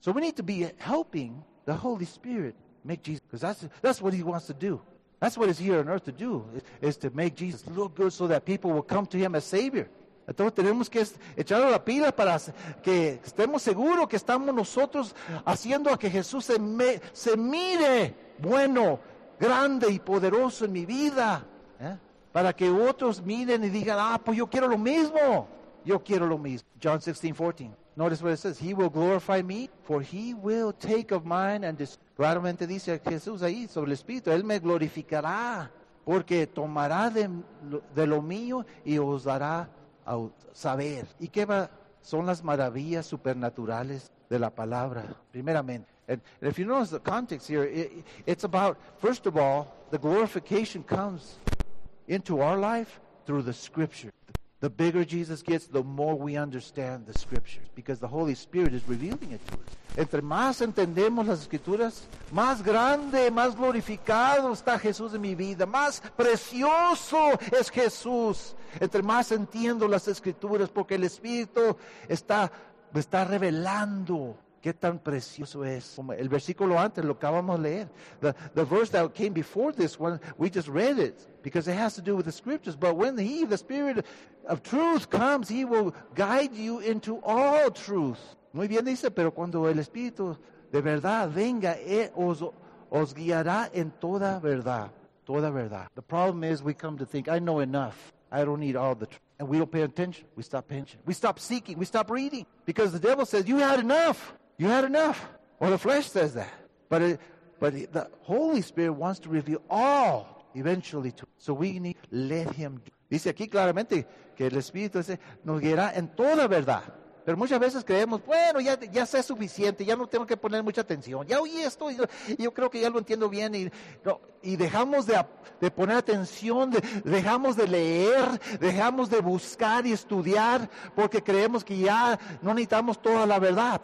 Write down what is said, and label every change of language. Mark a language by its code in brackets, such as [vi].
[en] So we need to be helping the Holy Spirit make Jesus, because that's what he wants to do. That's what he's here on earth to do, is to make Jesus look good so that people will come to him as Savior. [es] Entonces tenemos que echar la pila para que estemos seguros que estamos nosotros haciendo a que Jesús se mire bueno, grande y poderoso en mi vida. Para que otros miren y digan, ah, pues yo quiero lo mismo. Yo quiero lo mismo. [en] John 16:14. Notice what it says. He will glorify me, for he will take of mine and [es] Claramente dice Jesús ahí sobre el Espíritu. Él me glorificará porque tomará de lo mío y os dará a saber. ¿Y qué va? Son las maravillas supernaturales de la palabra. Primeramente. [en] And if you notice the context here, it's about, first of all, the glorification comes into our life through the Scripture. The bigger Jesus gets, the more we understand the Scriptures, because the Holy Spirit is revealing it to us. [es] Entre más entendemos las Escrituras, más grande, más glorificado está Jesús en mi vida, más precioso es Jesús. Entre más entiendo las Escrituras, porque el Espíritu está revelando qué tan precioso es. El versículo antes, lo acabamos de leer. [en] The verse that came before this one, we just read it, because it has to do with the Scriptures. But when he, the Spirit of truth, comes, he will guide you into all truth. [es] Muy bien dice, pero cuando el Espíritu de verdad venga, os guiará en toda verdad. Toda verdad. [en] The problem is we come to think, I know enough. I don't need all the truth. And we don't pay attention. We stop paying attention. We stop seeking. We stop reading. Because the devil says, you had enough. You had enough. Well, the flesh says that. But the Holy Spirit wants to reveal all eventually to us. So we need to let him do. [es] Dice aquí claramente que el Espíritu dice, nos guiará en toda verdad. Pero muchas veces creemos, bueno, ya sé suficiente, ya no tengo que poner mucha atención. Ya oí esto, yo creo que ya lo entiendo bien. Y dejamos de poner atención, dejamos de leer, dejamos de buscar y estudiar, porque creemos que ya no necesitamos toda la verdad.